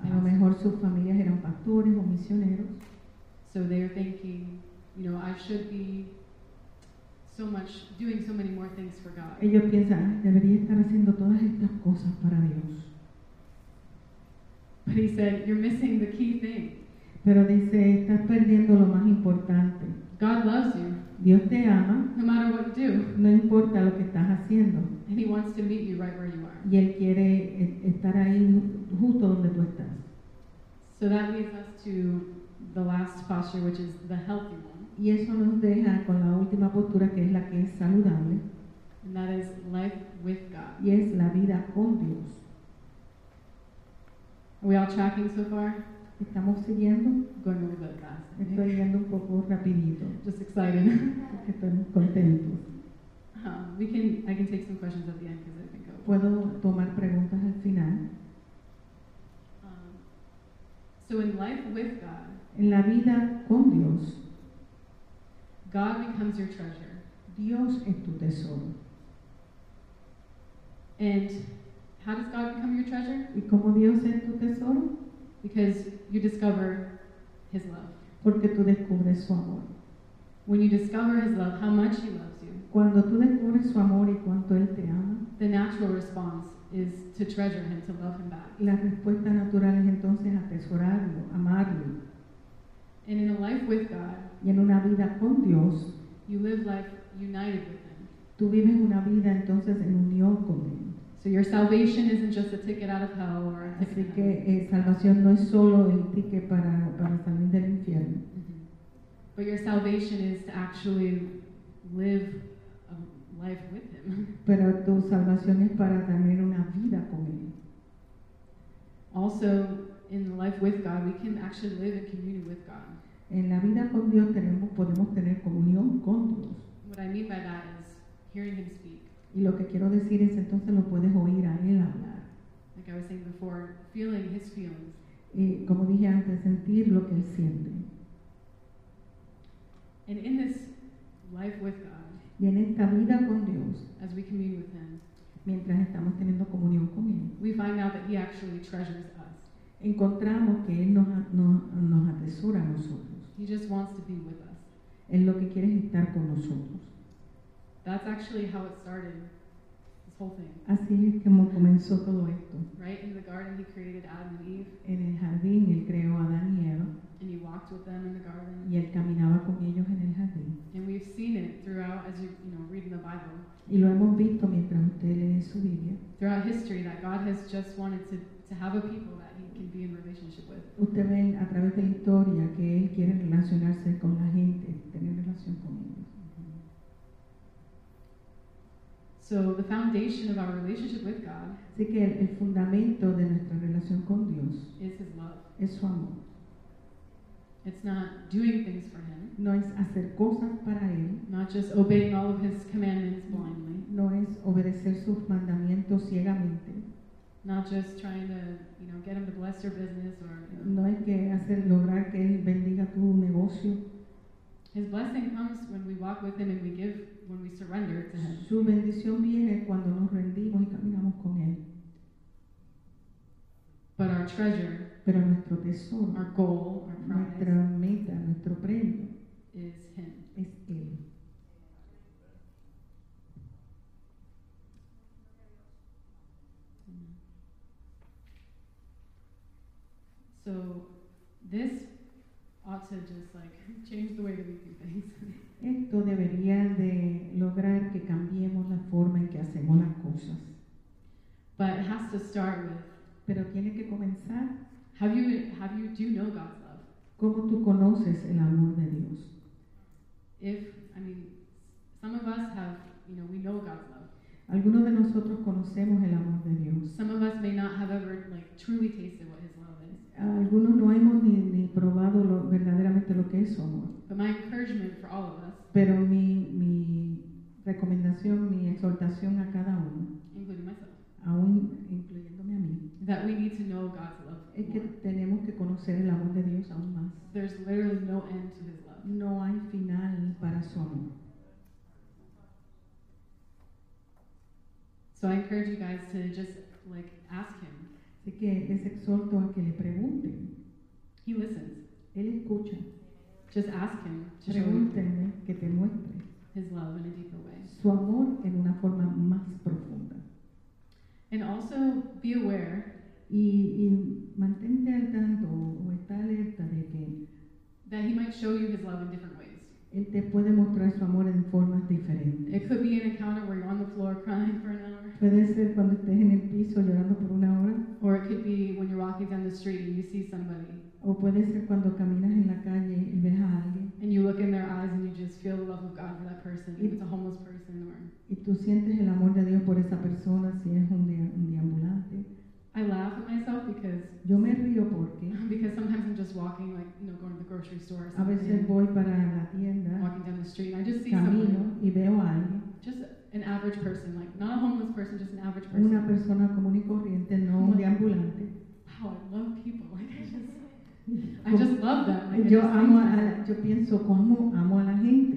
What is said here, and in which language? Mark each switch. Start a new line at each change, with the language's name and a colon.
Spanish: A lo mejor sus familias eran pastores o misioneros.
English: So they're thinking, I should be so much doing so many more things for God.
Spanish: Ellos piensan, debería estar haciendo todas estas cosas para Dios.
English: But he said, you're missing the key thing.
Spanish: Pero dice, estás perdiendo lo más importante.
English: God loves you.
Spanish: Dios te ama.
English: No matter what you do.
Spanish: No importa lo que estás haciendo.
English: And he wants to meet you right where you are.
Spanish: Y él quiere estar ahí justo donde tú estás.
English: So that leads us to the last posture, which is the healthy one.
Spanish: Y eso nos deja con la última postura, que es la que es saludable.
English: And that is life with God.
Spanish: Y es la vida con Dios.
English: Are we all tracking so far?
Spanish: Estamos siguiendo.
English: Going really fast.
Spanish: Estoy yendo un poco rapidito.
English: Just excited.
Spanish: Porque estoy muy contento.
English: I can take some questions at the end because I think.
Spanish: Puedo tomar preguntas al final.
English: So in life with God.
Spanish: En la vida con Dios.
English: God becomes your treasure.
Spanish: Dios es tu tesoro.
English: And how does God become your treasure?
Spanish: ¿Y cómo Dios es tu tesoro?
English: Because you discover his love.
Spanish: Porque tú descubres su amor.
English: When you discover his love, how much he loves you.
Spanish: Cuando tú descubres su amor y cuánto él te ama.
English: The natural response is to treasure him, to love him back.
Spanish: La respuesta natural es entonces atesorarlo, amarlo.
English: And in a life with God.
Spanish: Y en una vida con Dios.
English: You live life united with him.
Spanish: Tú vives una vida entonces en unión con él.
English: So your salvation isn't just a ticket out of hell or a ticket.
Spanish: Así que salvación no es solo el ticket para salir del infierno.
English: But your salvation is to actually live a life with him.
Spanish: Pero tu salvación es para tener una vida con él.
English: Also, in life with God, we can actually live in community with God.
Spanish: En la vida con Dios podemos tener comunión con Dios.
English: What I mean by that is hearing him speak.
Spanish: Y lo que quiero decir es, entonces lo puedes oír a él hablar.
English: Like I was saying before, feeling his feelings.
Spanish: Y como dije antes, sentir lo que él siente.
English: And in this life with God,
Spanish: y en esta vida con Dios,
English: as we commune with him,
Spanish: mientras estamos teniendo comunión con él,
English: we find out that he actually treasures us.
Spanish: Encontramos que él nos atesora a nosotros.
English: He just wants to be with us.
Spanish: Él lo que quiere es estar con nosotros.
English: That's actually how it started, this whole thing.
Spanish: Así es como comenzó todo esto.
English: Right in the garden, he created Adam and Eve.
Spanish: En el jardín, él creó a Adán y Eva.
English: And he walked with them in the garden.
Spanish: Y él caminaba con ellos en el jardín.
English: And we've seen it throughout, as you read in the Bible.
Spanish: Y lo hemos visto mientras usted lee su Biblia.
English: Throughout history, that God has just wanted to have a people that he can be in relationship with.
Spanish: Usted ve a través de la historia que él quiere relacionarse con la gente, tener relación con ellos.
English: So the foundation of our relationship with God.
Spanish: Así que el fundamento de nuestra relación con Dios
English: is his love.
Spanish: Es su amor.
English: It's not doing things for him.
Spanish: No es hacer cosas para él.
English: Not just obeying all of his commandments blindly.
Spanish: No es obedecer sus mandamientos ciegamente.
English: Not just trying to, you know, get him to bless your business or.
Spanish: No es que hacer lograr que él bendiga tu negocio.
English: His blessing comes when we walk with him and we give, when we surrender to him.
Spanish: Su bendición viene cuando nos rendimos y caminamos con él.
English: But our treasure.
Spanish: Pero nuestro tesoro,
English: our goal, our prize,
Spanish: nuestra meta, nuestro premio,
English: is him.
Spanish: Es él.
English: So this ought to just like change the way that we do things.
Spanish: Esto debería de lograr que cambiemos la forma en que hacemos las cosas.
English: But it has to start with.
Spanish: Pero tiene que comenzar.
English: Have you do you know God's love?
Spanish: ¿Cómo tú conoces el amor de Dios?
English: If, I mean, some of us have, you know, we know God's love.
Spanish: Algunos de nosotros conocemos el amor de Dios.
English: Some of us may not have ever like truly tasted what his love is.
Spanish: Algunos no hemos ni probado verdaderamente lo que es su amor.
English: But my encouragement for all of us.
Spanish: Pero mi recomendación, mi exhortación a cada uno.
English: Including myself.
Spanish: Aún incluyéndome a mí.
English: That we need to know God's love.
Spanish: Es que tenemos que conocer el amor de Dios aún más.
English: There's literally no end to his love.
Spanish: No hay final para su amor.
English: So I encourage you guys to just like ask him.
Spanish: Así que les exhorto a que le pregunten.
English: He listens.
Spanish: Él escucha.
English: Just ask him.
Spanish: Pregúntenle que te muestre
English: his love in a deeper way.
Spanish: Su amor en una forma más profunda.
English: And also be aware.
Spanish: Y mantente al tanto o está alerta de que
English: that he might show you his love in different ways.
Spanish: Él te puede mostrar su amor en formas diferentes.
English: It could be an encounter where you're on the floor crying for an hour.
Spanish: Puede ser cuando estés en el piso llorando por una hora.
English: Or it could be when you're walking down the street and you see somebody.
Spanish: O puede ser cuando caminas en la calle y ves a alguien.
English: And you look in their eyes and you just feel the love of God for that person, if it's a homeless person or.
Spanish: Y tú sientes el amor de Dios por esa persona si es un deambulante.
English: I laugh at myself because
Spanish: yo me río porque
English: because sometimes I'm just walking, like, you know, going to the grocery store or something.
Spanish: A veces voy para la tienda,
English: walking down the street, and I just see
Spanish: camino,
English: someone.
Spanish: Y veo a alguien,
English: just an average person, like not a homeless person, just an average person.
Spanish: Una persona común y corriente, no un deambulante.
English: Wow, I love people. Like I just love them. Like,
Spanish: yo amo yo pienso cómo amo a la gente.